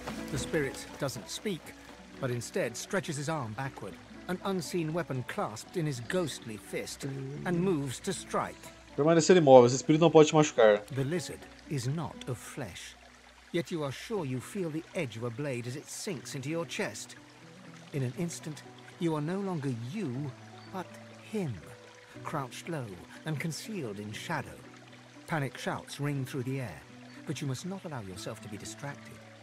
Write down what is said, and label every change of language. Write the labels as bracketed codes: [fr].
[en] The spirit doesn't speak, but instead stretches his arm backward, an unseen weapon clasped in his ghostly fist, and moves to strike. [pt] Permanecer imóvel, esse espírito não pode te machucar. [en] The lizard is not of flesh, yet you are sure you feel the edge of a blade as it sinks into your chest. In an instant, you are no longer you, but him, crouched low and concealed in shadow. Panic shouts ring through the air, but you must not allow yourself to be distracted.